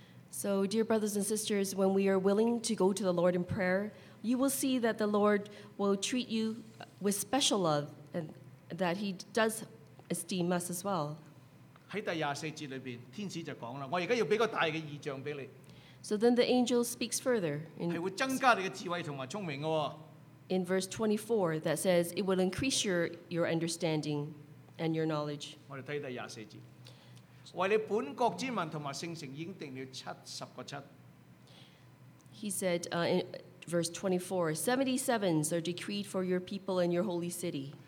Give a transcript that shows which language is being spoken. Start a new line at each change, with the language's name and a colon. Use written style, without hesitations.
English: So, dear brothers and sisters, when we are willing to go to the Lord in prayer, you will see that the Lord will treat you with special love and that He does esteem us as well.
Chinese: 喺第廿四節裏邊，天使就講啦：我而家要俾個大嘅異象俾你。
English: So then the angel speaks further. In verse 24, that says, it will increase your understanding and your knowledge.
Chinese: 我们看第24节。为你本国之民和圣城已经定了七十个七。
English: He said, verse 24, 70 sevens are decreed for your people and your holy city.